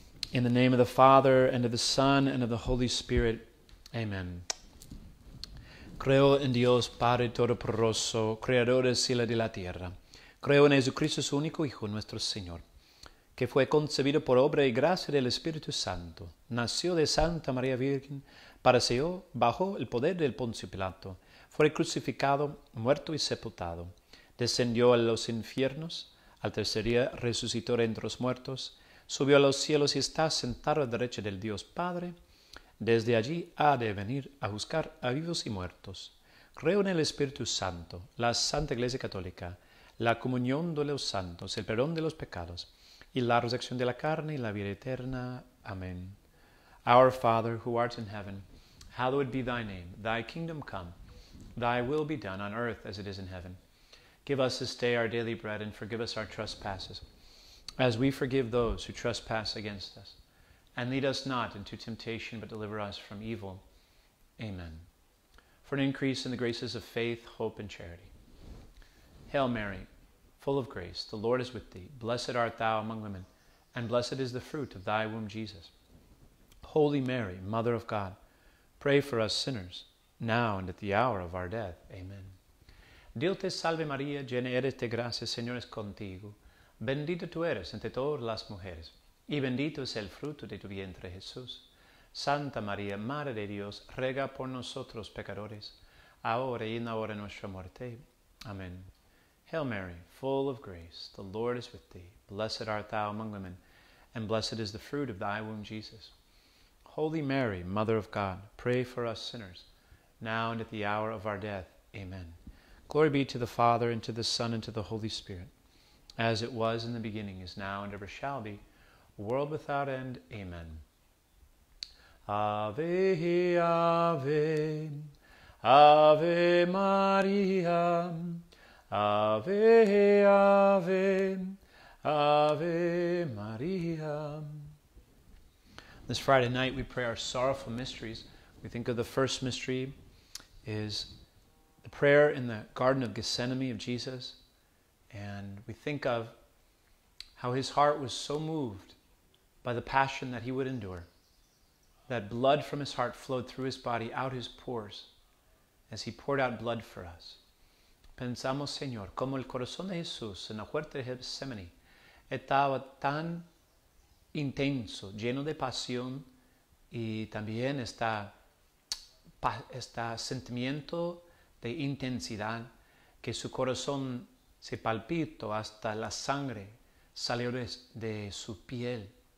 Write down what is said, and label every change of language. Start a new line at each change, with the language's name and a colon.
English: In the name of the Father, and of the Son, and of the Holy Spirit. Amen.
Spanish: Creo en Dios Padre Todopoderoso, Creador del cielo y de la tierra. Creo en Jesucristo, su único Hijo, nuestro Señor, que fue concebido por obra y gracia del Espíritu Santo. Nació de Santa María Virgen, padeció bajo el poder del Poncio Pilato, fue crucificado, muerto y sepultado. Descendió a los infiernos, al tercer día resucitó entre los muertos, subió a los cielos y está sentado a la derecha del Dios Padre. Desde allí ha de venir a juzgar a vivos y muertos. Creo en el Espíritu Santo, la Santa Iglesia Católica, la comunión de los santos, el perdón de los pecados, y la resurrección de la carne y la vida eterna. Amén.
English: Our Father, who art in heaven, hallowed be thy name. Thy kingdom come, thy will be done on earth as it is in heaven. Give us this day our daily bread, and forgive us our trespasses, as we forgive those who trespass against us. And lead us not into temptation, but deliver us from evil. Amen. For an increase in the graces of faith, hope, and charity. Hail Mary, full of grace, the Lord is with thee. Blessed art thou among women, and blessed is the fruit of thy womb, Jesus. Holy Mary, Mother of God, pray for us sinners, now and at the hour of our death. Amen.
Spanish: Dios te salve, María, llena eres de gracia, Señor es contigo. Bendita tú eres entre todas las mujeres, y bendito es el fruto de tu vientre, Jesús. Santa María, Madre de Dios, ruega por nosotros, pecadores, ahora y en la hora de nuestra muerte. Amén.
English: Hail Mary, full of grace, the Lord is with thee. Blessed art thou among women, and blessed is the fruit of thy womb, Jesus. Holy Mary, Mother of God, pray for us sinners, now and at the hour of our death. Amen. Glory be to the Father, and to the Son, and to the Holy Spirit, as it was in the beginning, is now, and ever shall be, world without end.
Latin: Amen. Ave, Ave, Ave Maria, Ave, Ave, Ave Maria.
English: This Friday night, we pray our sorrowful mysteries. We think of the first mystery is the prayer in the Garden of Gethsemane of Jesus. And we think of how his heart was so moved by the passion that he would endure, that blood from his heart flowed through his body, out his pores, as he poured out blood for us.
Spanish: Pensamos, Señor, como el corazón de Jesús en la huerta de Gethsemane estaba tan intenso, lleno de pasión, y también está sentimiento de intensidad, que su corazón se palpitó hasta la sangre salió de su piel.